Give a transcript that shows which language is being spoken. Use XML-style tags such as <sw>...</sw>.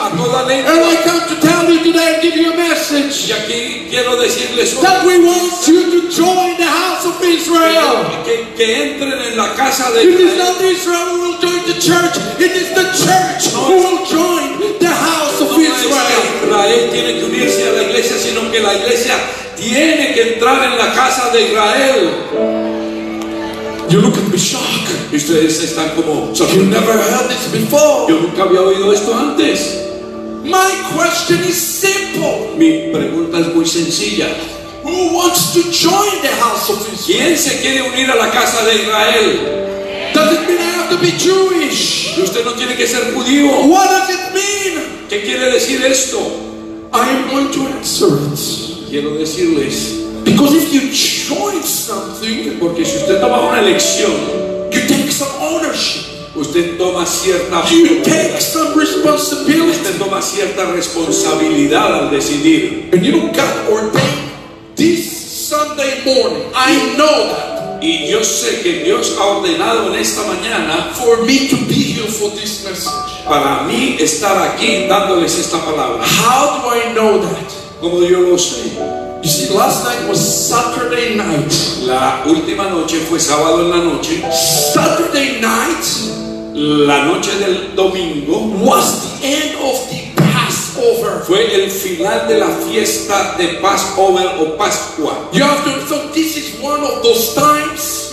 <es>A toda lengua.</es> <en>And I come to tell you today and give you a message.</en> <es>Y aquí quiero decirles hoy.</es> <en>That we want you to join the house of Israel.</en> <es>Que entren en la casa de Israel.</es> <en>It is not Israel who will join the church. It is the church who will join the house of Israel.</en> <es>Israel tiene que unirse a la iglesia, sino que la iglesia tiene que entrar en la casa de Israel.</es> <en>You look at me shocked.</en> <es>Ustedes están como</es> <en>shocked. You never heard this before.</en> <es>Yo nunca había oído esto antes.</es> <en>My question is simple.</en> <es>Mi pregunta es muy sencilla.</es> <en>Who wants to join the house of Israel?</en> <es>¿Quién se quiere unir a la casa de Israel?</es> <en>Does it mean I have to be Jewish?</en> <es>Usted no tiene que ser judío.</es> <en>What does it mean?</en> <es>¿Qué quiere decir esto?</es> <en>I am going to answer it.</en> <es>Quiero decirles.</es> <en>Because if you choose something,</en> <es>porque si usted toma una elección,</es> <en>you take some ownership.</en> <es>Usted toma cierta.</es> <en>You take some responsibility.</en> <es>Usted toma cierta responsabilidad al decidir.</es> <en>And you got ordained this Sunday morning. I know that.</en> <es>Y yo sé que Dios ha ordenado en esta mañana</es> <en>for me to be here for this message.</en> <es>Para mí estar aquí dándoles esta palabra.</es> <en>How do I know that?</en> <es>¿Cómo yo lo sé?</es> <en>You see, last night was Saturday night.</en> <es>La última noche fue sábado en la noche.</es> <en>Saturday night,</en> <es>la noche del domingo,</es> <en>was the end of the Passover.</en> <es>Fue el final de la fiesta de Passover o Pascua.</es> <en>You have to think this is one of those times.</en>